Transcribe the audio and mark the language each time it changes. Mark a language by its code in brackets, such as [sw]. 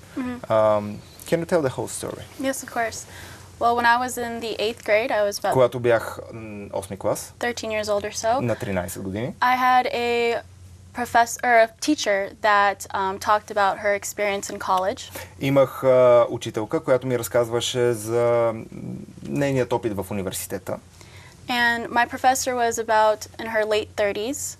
[en] Mm-hmm. Can you tell the whole story? Yes, of course. Well, when I was in the 8th grade, I was about... [bg] Когато бях 8-ми клас. [en] 13 years old or so. [bg] На 13 години. [en] I had a professor or a teacher that talked about her experience in college. [bg] Имах учителка, която ми разказваше за нейният опит в университета. [en] And my professor was about in her late 30s.